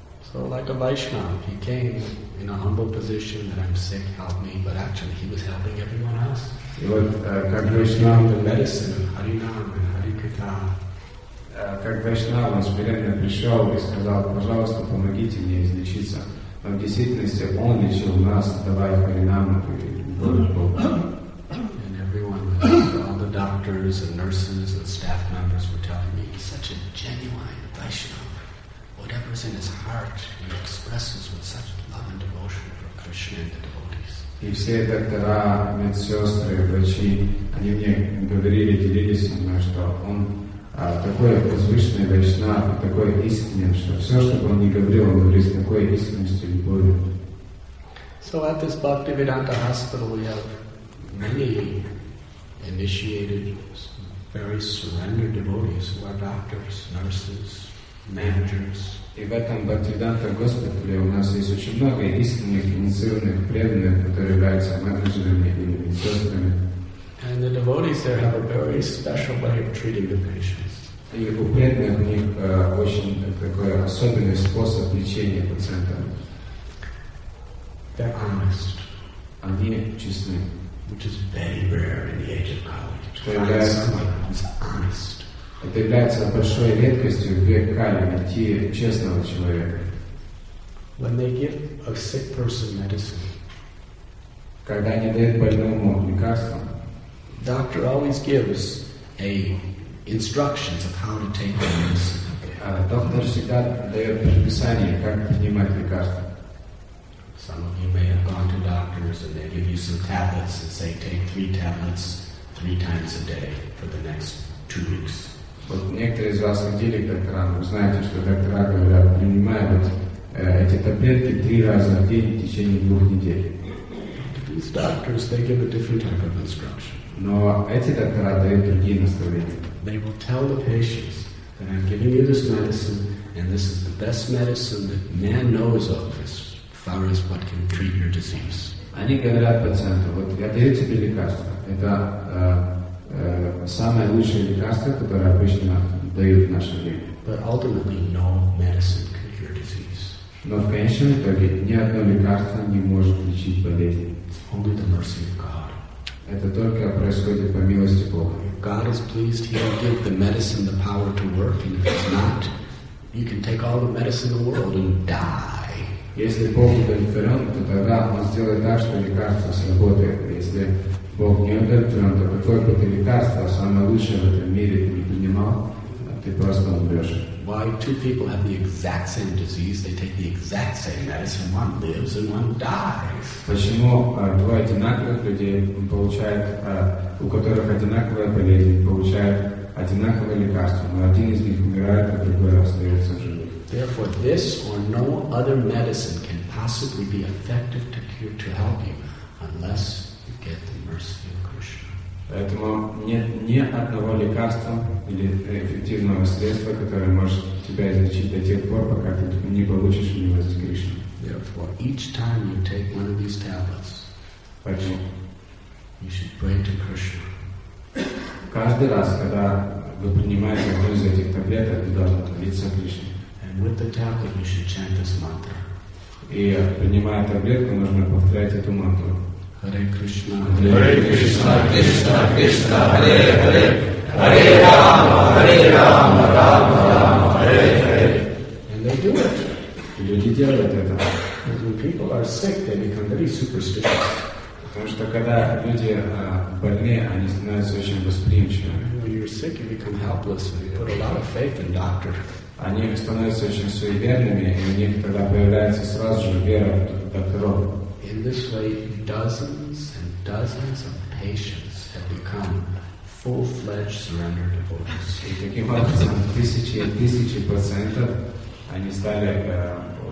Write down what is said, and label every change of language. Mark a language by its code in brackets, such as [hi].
[en] So like a Vaishnava, he came in a humble position that I'm sick, help me, but actually he was helping everyone else. [ru] И вот как Вайшнава, [en] the medicine, [ru] Харинам и Харикатха. Как Вайшнава смиренно пришел и сказал, пожалуйста, помогите мне излечиться. Но в действительности он лечил нас, давая Харинам и [en] And everyone, all the doctors and nurses and staff members were telling me he's such a genuine Vaishnava. Whatever's in his heart, he expresses with such love and devotion for Krishna and the devotees. [ru] И все доктора, медсестры, врачи, они мне говорили, делились со мной, что он такой возвышенный Вайшнава, такой искренний, что все, что бы он ни говорил, он говорит с такой искренностью и любовью. [en] So at this Bhaktivedanta hospital we have many initiated, very surrendered devotees who are doctors, nurses, managers. [ru] И в этом Бхактивиданта госпитале у нас есть очень много искренних, инициированных, преданных, которые являются менеджерами и медсестрами. [en] And the devotees there have a very special way of treating the patients. [ru] И у преданных у них очень такой особенный способ лечения пациента. [en] They're honest. [ru] Они честны. [en] Which is very rare in the age of Kali. Someone who's honest. [ru] Это является большой редкостью в век Кали, найти честного человека. [en] When they give a sick person medicine, [ru] когда они дают больному лекарство, [en] doctor always gives a instructions of how to take the medicine. [ru] Доктор всегда дает предписание, как принимать лекарство. [en] Some of you may have gone to doctors and they give you some tablets and say take 3 tablets 3 times a day for the next 2 weeks. [ru] Вот некоторые из вас ходили к докторам, вы знаете, что доктора говорят, принимай вот эти таблетки 3 раза в день в течение 2 недель. [en] These doctors, they give a different type of instruction. [ru] Но эти доктора дают другие наставления. [en] They will tell the patients that I'm giving you this medicine and this is the best medicine that man knows of as far as what can treat your disease. [ru] Они говорят пациенту, вот я даю тебе лекарство, это самое лучшее лекарство, которое обычно дают в наше время. [en] But ultimately, no medicine can cure disease. [ru] Но в конечном итоге ни одно лекарство не может лечить болезнь. [en] Only the mercy of God. [ru] Это только происходит по милости Бога. [en] If God is pleased, He will give the medicine the power to work, and if it's not, you can take all the medicine in the world and die. [ru] Если Бог удовлетворен, то тогда Он сделает так, что лекарство сработает. Если Бог не удовлетворен, то какое бы лекарство, самое лучшее в этом мире, ты не принимал, ты просто умрешь. [en] Why two people have the exact same disease, they take the exact same medicine, one lives and one dies. [ru] Почему двое одинаковых людей получают, у которых одинаковая болезнь, получают одинаковое лекарство, но один из них умирает, а другой остается жив? [en] Therefore, this or no other medicine can possibly be effective to cure, to help you, unless you get the mercy of Krishna. [ru] Поэтому нет ни одного лекарства или эффективного средства, которое может тебя излечить до тех пор, пока ты не получишь милость Кришны. [en] Therefore, each time you take one of these tablets, [ru] поэтому [en] you should pray to Krishna. [ru] Каждый раз, когда вы принимаете одну из этих таблеток, вы должны молиться Кришне. [en] And with the tablet, you should chant this mantra. [ru] И принимая таблетку, нужно повторять эту мантру. [sa] Hare Krishna, Hare Krishna, Krishna Krishna, Hare Hare, Hare Rama, Hare Rama, Rama Rama, Hare Hare. [en] And they do it. [ru] И люди делают это. [en] Because when people are sick, they become very superstitious. [ru] Потому что когда люди больны, они становятся очень восприимчивыми. [en] When you're sick, you become helpless, and you put a lot of faith in doctor. [ru] Они становятся очень суеверными, и у них тогда появляется сразу же вера в докторов. [en] In this way, dozens and dozens of patients have become full-fledged surrender devotees. [ru] И таким образом, тысячи и тысячи пациентов, они стали